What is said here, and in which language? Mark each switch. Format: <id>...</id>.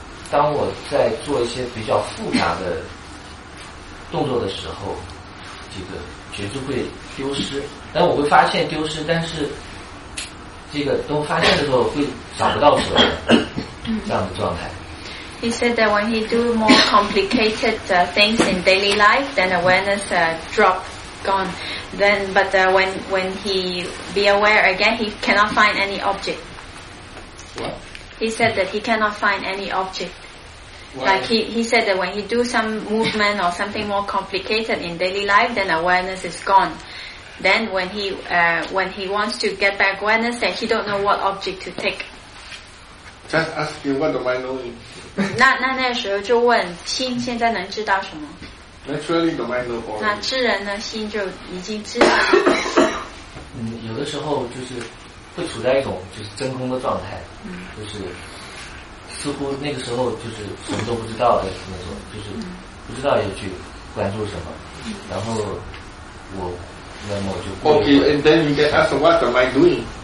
<zh>当我在做一些比较复杂的动作的时候，这个觉知会丢失。但我会发现丢失，但是这个都发现的时候会找不到蛇的这样的状态。</zh> <en>He said that when he do more complicated things in daily life, then awareness drop gone. Then, but when he be aware again, he cannot find any object. What? He said that he cannot find any object. Why? Like he said that when he do some movement or something more complicated in daily life, then awareness is gone. Then when he wants to get back awareness, then he don't know what object to take. Just ask him what am I knowing.</en> <zh>那时候就问心现在能知道什么</zh> <en>Naturally the mind knows already</en> <zh>那智人的心就已经知道了嗯，有的时候就是会处在一种就是真空的状态就是似乎那个时候就是什么都不知道的那种就是不知道要去关注什么然后我那么就</zh> <en>不 OK and then you can ask what am I doing</en>